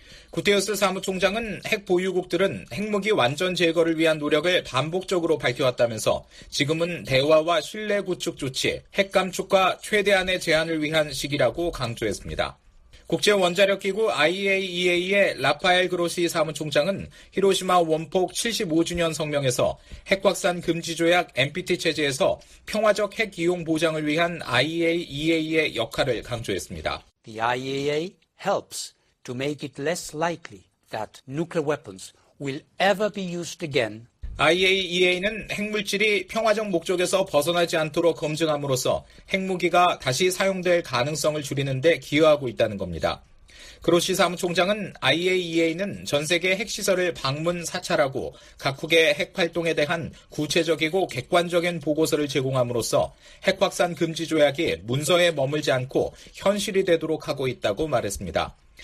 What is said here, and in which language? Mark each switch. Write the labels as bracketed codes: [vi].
[ko] 구테우스 사무총장은 핵 보유국들은 핵무기 완전 제거를 위한 노력을 반복적으로 밝혀왔다면서 지금은 대화와 신뢰 구축 조치, 핵 감축과 최대한의 제한을 위한 시기라고 강조했습니다. 국제원자력기구 IAEA의 라파엘 그로시 사무총장은 히로시마 원폭 75주년 성명에서 핵확산 금지조약 NPT 체제에서 평화적 핵 이용 보장을 위한 IAEA의 역할을 강조했습니다. [en] The IAEA helps to make it less likely that nuclear weapons will ever be used again. [ko] IAEA는 핵물질이 평화적 목적에서 벗어나지 않도록 검증함으로써 핵무기가 다시 사용될 가능성을 줄이는 데 기여하고 있다는 겁니다. 그로시 사무총장은 IAEA는 전 세계 핵시설을 방문 사찰하고 각국의 핵활동에 대한 구체적이고 객관적인 보고서를 제공함으로써 핵확산 금지조약이 문서에 머물지 않고 현실이 되도록 하고 있다고 말했습니다.